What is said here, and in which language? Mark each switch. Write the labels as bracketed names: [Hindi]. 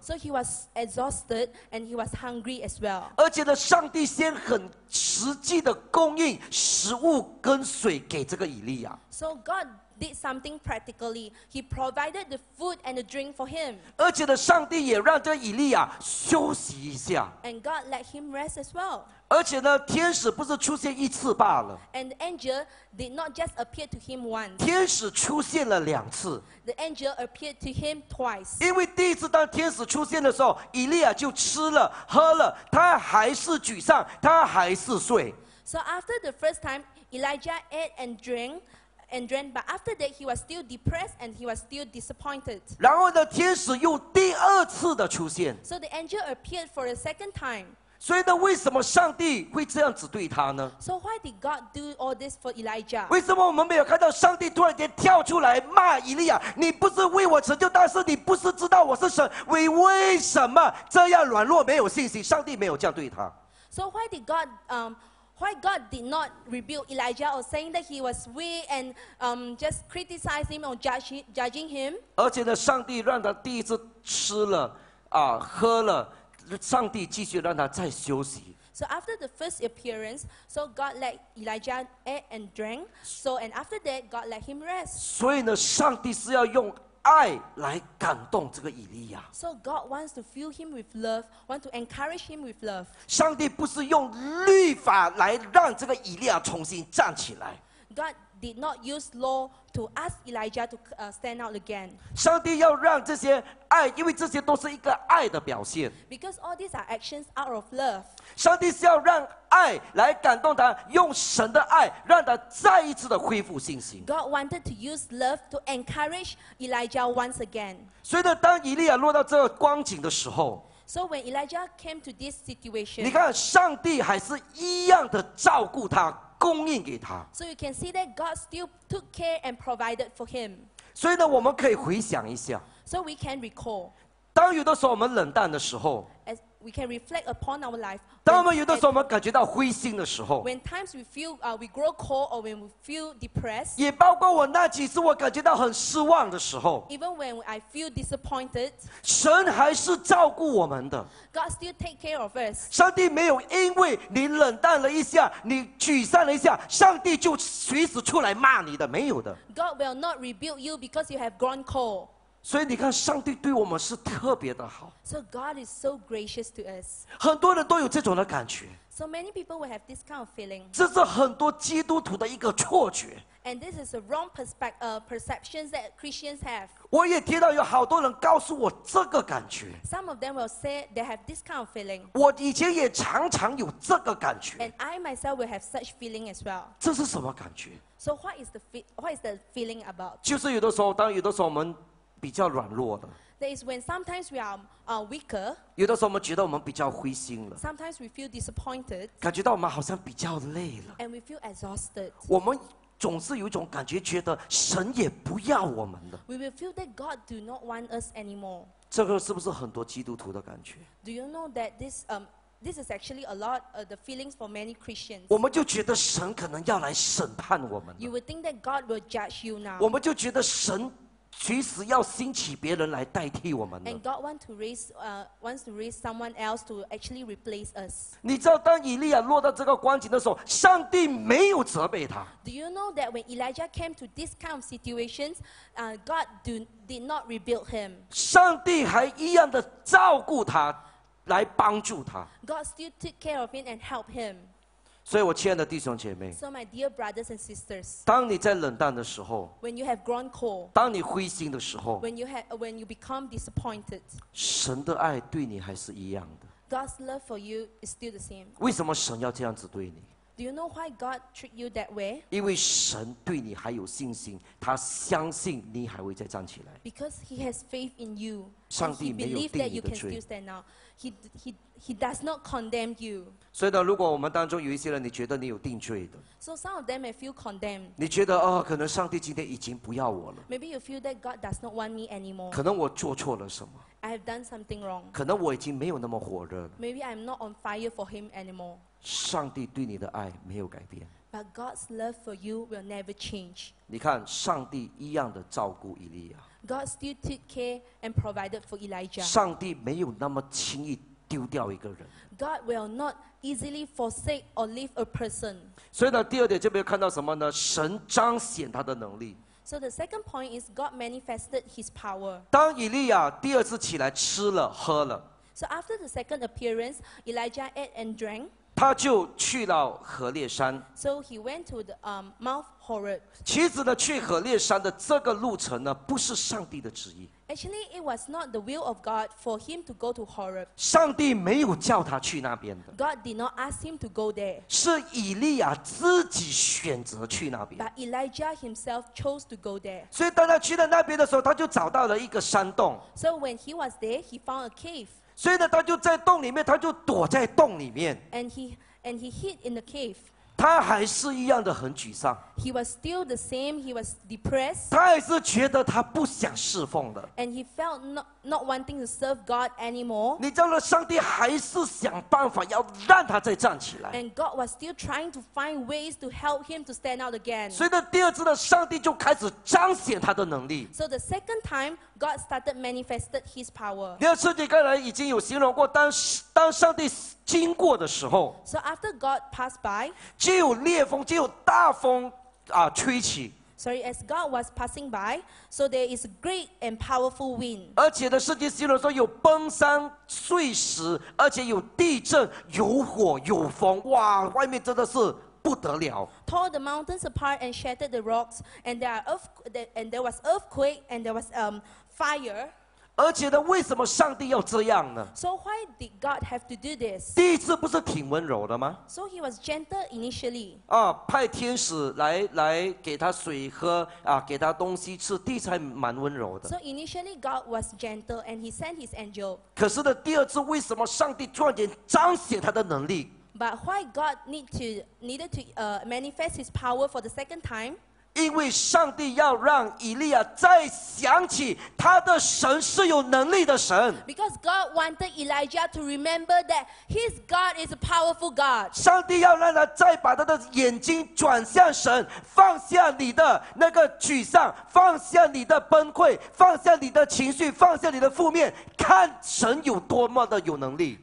[English] So he was exhausted and he was hungry as well. [Chinese] 而且呢，上帝先很实际的供应食物跟水给这个以利亚。 [English] So God did something practically. He provided the food and the drink for him. [Chinese] 而且呢，上帝也让这以利亚休息一下。 [English] And God let him rest as well. [Chinese] 而且呢，天使不是出现一次罢了。 [English] And the angel did not just appear to him once. [Chinese] 天使出现了两次。 [English] The angel appeared to him twice. [Chinese] 因为第一次当天使出现的时候，以利亚就吃了喝了，他还是沮丧，他还是睡。 [English] So after the first time, Elijah ate and drank, but after that he was still depressed and he was still disappointed. [Chinese] 然后呢，天使又第二次的出现。 [English] So the angel appeared for a second time. [Chinese] 所以呢，为什么上帝会这样子对他呢 [English] ？So why did God do all this for Elijah? [Chinese] 为什么我们没有看到上帝突然间跳出来骂以利亚？你不是为我成就大事，你不是知道我是神，为什么这样软弱没有信心？上帝没有这样对他。 [English] So why did God Why God did not rebuke Elijah or saying that he was weak and just criticize him or judging him? [Chinese] 而且呢，上帝让他第一次吃了，喝了，上帝继续让他再休息。 [English] So after the first appearance, so God let Elijah eat and drink. So and after that, God let him rest. [Chinese] 所以呢，上帝是要用爱来感动这个以利亚。 [English] So God wants to fill him with love, want to encourage him with love. [Chinese] 上帝不是用律法来让这个以利亚重新站起来。 [English] God did not use law to ask Elijah to stand out again. [Chinese] 上帝要让这些爱，因为这些都是一个爱的表现。 [English] Because all these are actions out of love. [Chinese] 上帝是要让爱来感动他，用神的爱让他再一次的恢复信心。 [English] God wanted to use love to encourage Elijah once again. [Chinese] 所以呢，当以利亚落到这个光景的时候。 [English] So when Elijah came to this situation. [Chinese] 你看，上帝还是一样的照顾他。供应给他。 [English] So you can see that God still took care and provided for him. [Chinese] 所以呢，我们可以回想一下。 [English] So we can recall. [Chinese] 当有的时候我们冷淡的时候。 [English] As we can reflect upon our life. [Chinese] 当我们有的时候我们感觉到灰心的时候。 [English] When times we feel we grow cold or when we feel depressed. [Chinese] 也包括我那几次我感觉到很失望的时候。 [English] Even when I feel disappointed. [Chinese] 神还是照顾我们的。 [English] God still take care of us. [Chinese] 上帝没有因为你冷淡了一下，你沮丧了一下，上帝就随时出来骂你的，没有的。 [English] God will not rebuke you because you have grown cold. [Chinese] 所以你看，上帝对我们是特别的好。 [English] So God is so gracious to us. [Chinese] 很多人都有这种的感觉。 [English] So many people will have this kind of feeling. [Chinese] 这是很多基督徒的一个错觉。 [English] And this is a wrong perception that Christians have. [Chinese] 我也听到有好多人告诉我这个感觉。 [English] Some of them will say they have this kind of feeling. [Chinese] 我以前也常常有这个感觉。 [English] And I myself will have such feeling as well. [Chinese] 这是什么感觉？ [English] So what is the feeling about? [Chinese] 就是有的时候，当有的时候我们比较软弱的。 [English] That is when sometimes we are weaker. [Chinese] 有的时候我们觉得我们比较灰心了。 [English] Sometimes we feel disappointed. [Chinese] 感觉到我们好像比较累了。 [English] And we feel exhausted. [Chinese] 我们总是有一种感觉，觉得神也不要我们了。 [English] We will feel that God do not want us anymore. [Chinese] 这个是不是很多基督徒的感觉 [English] ？Do you know that this is actually a lot the feelings for many Christians? [Chinese] 我们就觉得神可能要来审判我们了。 [English] You will think that God will judge you now. [Chinese] 我们就觉得神随时要兴起别人来代替我们了。 [English] And God wants to raise someone else to actually replace us. [Chinese] 你知道当以利亚落到这个光景的时候，上帝没有责备他。 [English] Do you know that when Elijah came to this kind of situations, God did not rebuke him. [Chinese] 上帝还一样的照顾他，来帮助他。 [English] God still took care of him and helped him. [Chinese] 所以我亲爱的弟兄姐妹 [English] So my dear brothers and sisters, [Chinese] 当你在冷淡的时候 [English] When you have grown cold, [Chinese] 当你灰心的时候 [English] When you become disappointed, [Chinese] 神的爱对你还是一样的。 [English] God's love for you is still the same. [Chinese] 为什么神要这样子对你？ [English] Do you know why God treat you that way? [Chinese] 因为神对你还有信心，他相信你还会再站起来。 [English] Because he has faith in you. [Chinese] 上帝没有定你的罪。 [English] He believes that you can still stand out. He does not condemn you. [Chinese] 所以呢，如果我们当中有一些人，你觉得你有定罪的。 [English] So some of them may feel condemned. [Chinese] 你觉得可能上帝今天已经不要我了。 [English] Maybe you feel that God does not want me anymore. [Chinese] 可能我做错了什么。 [English] I have done something wrong. [Chinese] 可能我已经没有那么火热了。 [English] Maybe I'm not on fire for him anymore. [Chinese] 上帝对你的爱没有改变。 [English] But God's love for you will never change. [Chinese] 你看，上帝一样的照顾以利亚。 [English] God still took care and provided for Elijah. [Chinese] 上帝没有那么轻易丢掉一个人。 [English] God will not easily forsake or leave a person. [Chinese] 所以呢，第二点就没有看到什么呢？神彰显他的能力。 [English] So the second point is God manifested His power. [Chinese] 当以利亚第二次起来吃了喝了。 [English] So after the second appearance, Elijah ate and drank. [Chinese] 他就去到何烈山。 [English] So he went to the Mount Horeb. [Chinese] 其实呢，去何烈山的这个路程呢，不是上帝的旨意。 [English] Actually, it was not the will of God for him to go to Horeb. [Chinese] 上帝没有叫他去那边的。 [English] God did not ask him to go there. [Chinese] 是以利亚自己选择去那边。 [English] But Elijah himself chose to go there. [Chinese] 所以当他去了那边的时候，他就找到了一个山洞。 [English] So when he was there, he found a cave. [Chinese] 所以呢，他就在洞里面，他就躲在洞里面。 [English] And he hid in the cave. [Chinese] 他还是一样的很沮丧。 [English] He was still the same. He was depressed. [Chinese] 他还是觉得他不想侍奉了。 [English] And he felt not wanting to serve God anymore. [Chinese] 你知道上帝还是想办法要让他再站起来。 [English] And God was still trying to find ways to help him to stand out again. [Chinese] 所以呢，第二次呢，上帝就开始彰显他的能力。 [English] So the second time, God started manifested His power. [Chinese] 第二次你刚才已经有形容过，当上帝。经过的时候 [English] ，So after God passed by， [Chinese] 只有烈风，只有大风啊吹起。 [English] Sorry, as God was passing by, so there is great and powerful wind. [Chinese] 而且的圣经记录说有崩山碎石，而且有地震，有火，有风，哇，外面真的是不得了。 [English] Tore the mountains apart and shattered the rocks, and there was earthquake and there was fire. [Chinese] 而且呢，为什么上帝要这样呢 [English] ？So why did God have to do this？ [Chinese] 第一次不是挺温柔的吗 [English] ？So he was gentle initially。 [Chinese] 啊，派天使来给他水喝啊，给他东西吃，第一次还蛮温柔的。 [English] So initially God was gentle and he sent his angel。 [Chinese] 可是呢，第二次为什么上帝突然间彰显他的能力 [English] ？But why God needed to manifest his power for the second time？ [Chinese] 因为上帝要让以利亚再想起他的神是有能力的神。 [English] Because God wanted Elijah to remember that his God is a powerful God. [Chinese] 上帝要让他再把他的眼睛转向神，放下你的那个沮丧，放下你的崩溃，放下你的情绪，放下你的负面，看神有多么的有能力。